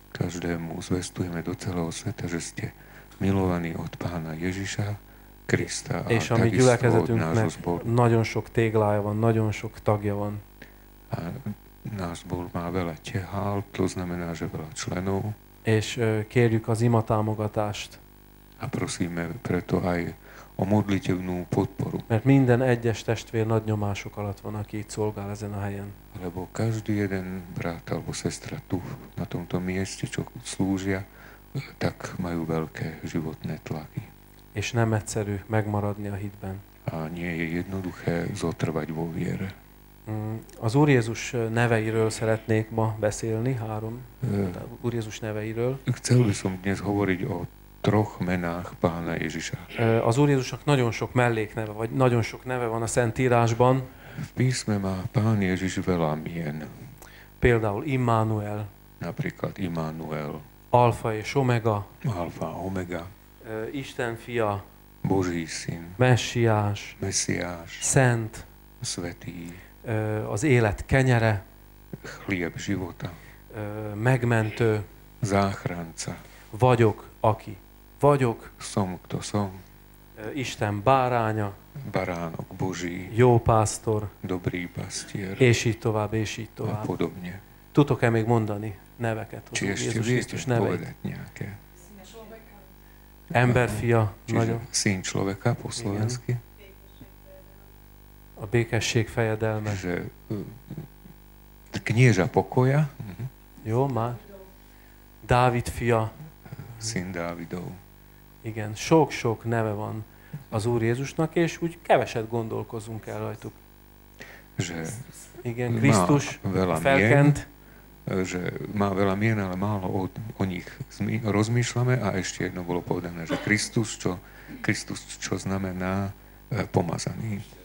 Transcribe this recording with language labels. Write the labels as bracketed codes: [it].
[sk] Každému zvestujeme do celého sveta, že ste milovaní od Pána Ježiša Krista. [hu] És a mi gyülekezetünknek nagyon sok téglája van, nagyon sok tagja van. [sk] A náš zbor má veľa tehál, to znamená, že veľa členov. [hu] És kérjük az ima támogatást. [sk] A prosíme preto aj o modlitevnú podporu. [hu] Mert minden egyes testvér nagy nyomások alatt van, aki itt szolgál ezen a helyen. [sk] Lebo každý jeden brat alebo sestra tu, na tomto mieste, čo slúžia, tak majú veľké životné tlaky. [hu] És nem egyszerű megmaradni a hitben. [sk] A nie je jednoduché zotrvať vo viere. [hu] Az Úr Jézus neveiről szeretnék ma beszélni, három Úr Jézus neveiről. [sk] Chcel by som dnes hovoriť o troch menách Pána Ježiša. [hu] Az Úr Jézusnak nagyon sok mellékneve, vagy nagyon sok neve van a Szentírásban. [sk] V písme má Pán Ježiš veľa mien. [hu] Például Immanuel. [sk] Napríklad Immanuel. [hu] Alfa és Omega. [sk] Alfa, Omega. [hu] Isten fia. [sk] Boží syn. [hu] Messiás. Messiás. Szent. [sk] Svetý. [hu] Az élet kenyere, [sk] chlieb života, [hu] megmentő, [sk] záchranca, [hu] vagyok, aki vagyok, [sk] som, kto som, [hu] Isten báránya, [sk] baránok Boží, [hu] jó pásztor, [sk] dobrý pastier, [hu] és így tovább, és így tovább. [sk] A podobne. [hu] Tudok-e még mondani neveket? [sk] Či ešte viete povedať nejaké? [hu] Emberfia, nagyon. [sk] Syn človeka po slovensky. [hu] A békesség fejedelme. [sk] Že, knieža pokoja. [hu] Jó, már. Dávid fia. [sk] Szín Dávidov. [hu] Igen, sok-sok neve van az Úr Jézusnak, és úgy keveset gondolkozunk el rajtuk. [sk] Že, [hu] igen, Krisztus felkent. [sk] Že má veľa mien, ale málo o nich rozmýšľame. A ešte jedno bolo povedané, že Kristus, čo znamená pomazaný.